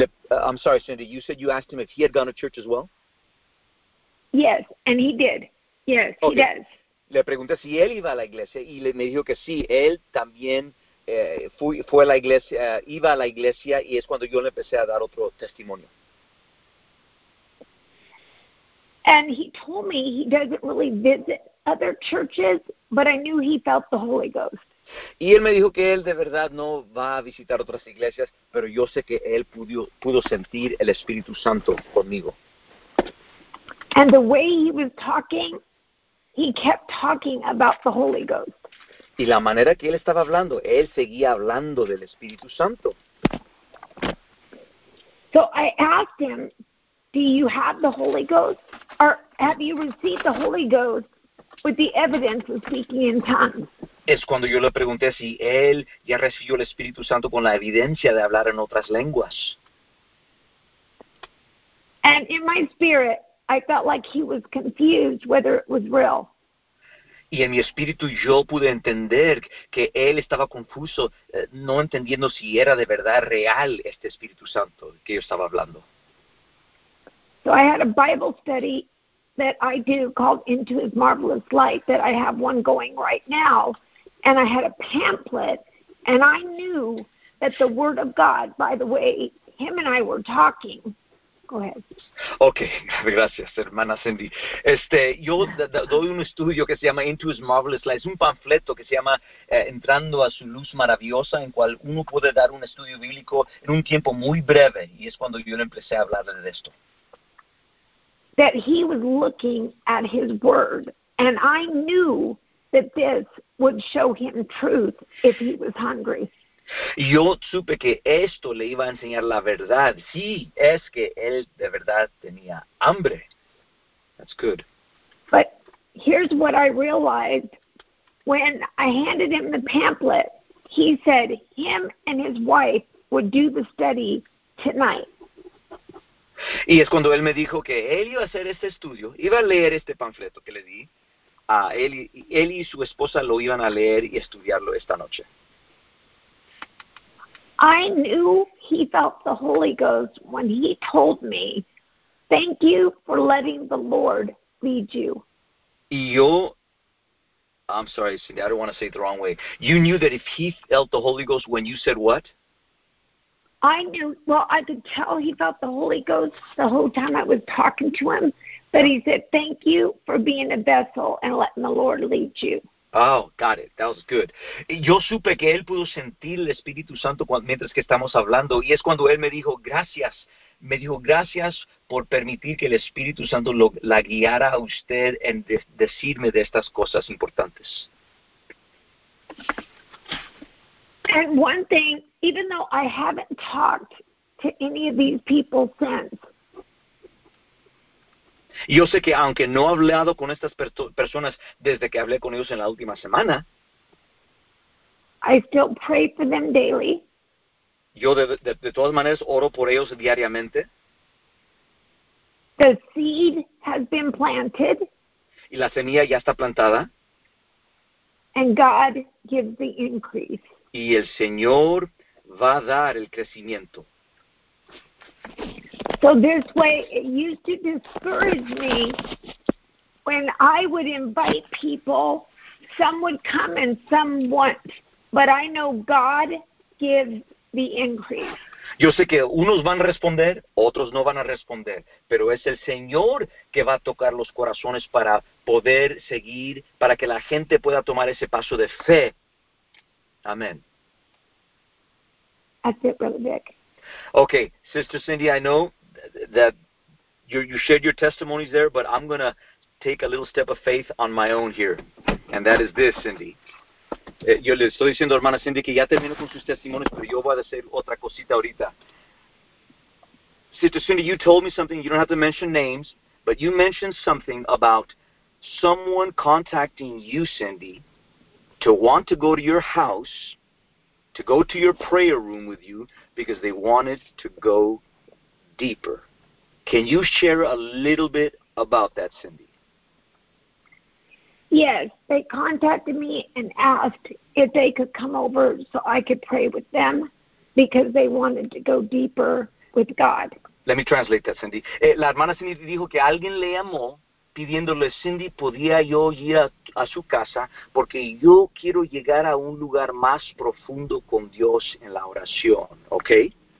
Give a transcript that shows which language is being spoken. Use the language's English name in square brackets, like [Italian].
[English] I'm sorry, Cindy, you said you asked him if he had gone to church as well? Yes, and he did. Yes, okay. He does. [Spanish] Le pregunté si él iba a la iglesia, y me dijo que sí, él también fue a la iglesia, iba a la iglesia, y es cuando yo le empecé a dar otro testimonio. [English] And he told me he doesn't really visit other churches, but I knew he felt the Holy Ghost. [Spanish] Y él me dijo que él de verdad no va a visitar otras iglesias, pero yo sé que él pudo sentir el Espíritu Santo conmigo. [English] And the way he was talking, he kept talking about the Holy Ghost. [Spanish] Y la manera que él estaba hablando, él seguía hablando del Espíritu Santo. [English] So I asked him, do you have the Holy Ghost? Or have you received the Holy Ghost with the evidence of speaking in tongues? [Spanish] Es cuando yo le pregunté si él ya recibió el Espíritu Santo con la evidencia de hablar en otras lenguas. [English] And in my spirit, I felt like he was confused whether it was real. [Spanish] Y en mi espíritu yo pude entender que él estaba confuso, no entendiendo si era de verdad real este Espíritu Santo que yo estaba hablando. [English] So I had a Bible study that I do called Into His Marvelous Light that I have one going right now. And I had a pamphlet, and I knew that the Word of God, by the way, him and I were talking. Go ahead. [Spanish] Okay, gracias, hermana Cindy. Yo doy un estudio que se llama Into His Marvelous Light. Es un panfleto que se llama Entrando a su Luz Maravillosa, en cual uno puede dar un estudio bíblico en un tiempo muy breve. Y es cuando yo le empecé a hablar de esto. [English] That he was looking at his word, and I knew that this would show him truth if he was hungry. [Spanish] Yo supe que esto le iba a enseñar la verdad. Sí, es que él de verdad tenía hambre. [English] That's good. But here's what I realized. When I handed him the pamphlet, he said him and his wife would do the study tonight. [Spanish] Y es cuando él me dijo que él iba a hacer este estudio, iba a leer este panfleto que le di. Él y su esposa lo iban a leer y estudiarlo esta noche. [English] I knew he felt the Holy Ghost when he told me, "Thank you for letting the Lord lead you." [Spanish] Y yo, [English] I'm sorry, Cindy, I don't want to say it the wrong way. You knew that if he felt the Holy Ghost when you said what? I knew, well, I could tell he felt the Holy Ghost the whole time I was talking to him, but he said, "Thank you for being a vessel and letting the Lord lead you." Oh, got it. That was good. [Spanish] Yo supe que él pudo sentir el Espíritu Santo mientras que estamos hablando, y es cuando él me dijo, gracias. Me dijo, gracias por permitir que el Espíritu Santo la guiara a usted en decirme de estas cosas importantes. [English] And one thing, even though I haven't talked to any of these people since, [Spanish] yo sé que aunque no he hablado con estas personas desde que hablé con ellos en la última semana, [English] I still pray for them daily. [Spanish] Yo de todas maneras oro por ellos diariamente. [English] The seed has been planted. [Spanish] Y la semilla ya está plantada. [English] And God gives the increase. [Spanish] Y el Señor va a dar el crecimiento. [English] So this way, it used to discourage me when I would invite people. Some would come and some wouldn't. But I know God gives the increase. [Spanish] Yo sé que unos van a responder, otros no van a responder. Pero es el Señor que va a tocar los corazones para poder seguir, para que la gente pueda tomar ese paso de fe. Amén. [English] That's it, Brother Vic. Okay, Sister Cindy, I know that you shared your testimonies there, but I'm going to take a little step of faith on my own here. And that is this, Cindy. [Spanish] Yo le estoy diciendo, hermana Cindy, que ya termino con sus testimonios, pero yo voy a hacer otra cosita ahorita. [English] Sister Cindy, you told me something. You don't have to mention names, but you mentioned something about someone contacting you, Cindy, to want to go to your house, to go to your prayer room with you, because they wanted to go deeper. Can you share a little bit about that, Cindy? Yes, they contacted me and asked if they could come over so I could pray with them because they wanted to go deeper with God. Let me translate that, Cindy. [Spanish] La hermana Cindy dijo que alguien le llamó pidiéndole, Cindy, ¿podía yo ir a su casa? Porque yo quiero llegar a un lugar más profundo con Dios en la oración, ¿ok?